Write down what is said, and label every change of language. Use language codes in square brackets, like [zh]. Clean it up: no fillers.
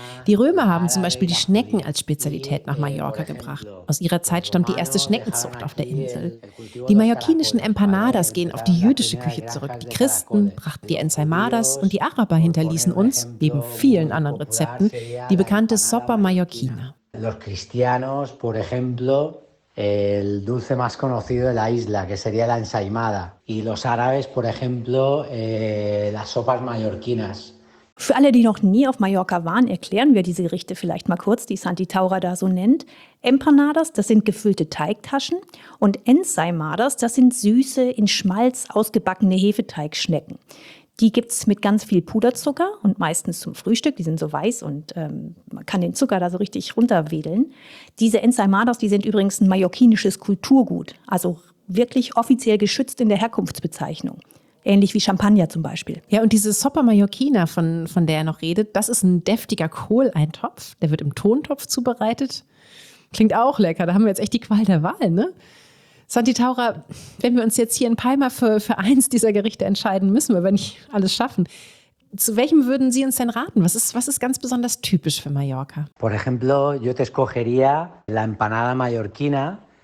[de] Die Römer haben zum Beispiel die Schnecken als Spezialität nach Mallorca gebracht. Aus ihrer Zeit stammt die erste Schneckenzucht auf der Insel. Die mallorquinischen Empanadas gehen auf die jüdische Küche zurück. Die Christen brachten die Ensaimadas und die Araber hinterließen uns, neben vielen anderen Rezepten, die bekannte Sopa Mallorquina. [es] Los cristianos, por ejemplo, el dulce más conocido de la isla, que sería la ensaimada. Y los árabes, por ejemplo, las sopas mallorquinas. [de] Für alle, die noch nie auf Mallorca waren, erklären wir diese Gerichte vielleicht mal kurz, die Santi Taura da so nennt. Empanadas, das sind gefüllte Teigtaschen. Und ensaimadas, das sind süße, in Schmalz ausgebackene Hefeteigschnecken. Die gibt es mit ganz viel Puderzucker und meistens zum Frühstück. Die sind so weiß und man kann den Zucker da so richtig runterwedeln. Diese Ensaimadas, die sind übrigens ein mallorquinisches Kulturgut. Also wirklich offiziell geschützt in der Herkunftsbezeichnung. Ähnlich wie Champagner zum Beispiel. Ja, und diese Sopa Mallorquina, von der er noch redet, das ist ein deftiger Kohleintopf. Der wird im Tontopf zubereitet. Klingt auch lecker, da haben wir jetzt echt die Qual der Wahl, ne? Santi Taura, wenn wir uns jetzt hier in Palma für eins dieser Gerichte entscheiden, müssen wir, wenn ich alles schaffen. Zu welchem würden Sie uns denn raten? Was ist ganz besonders typisch für Mallorca? [es] Por ejemplo, yo te escogería la empanada mallorquina.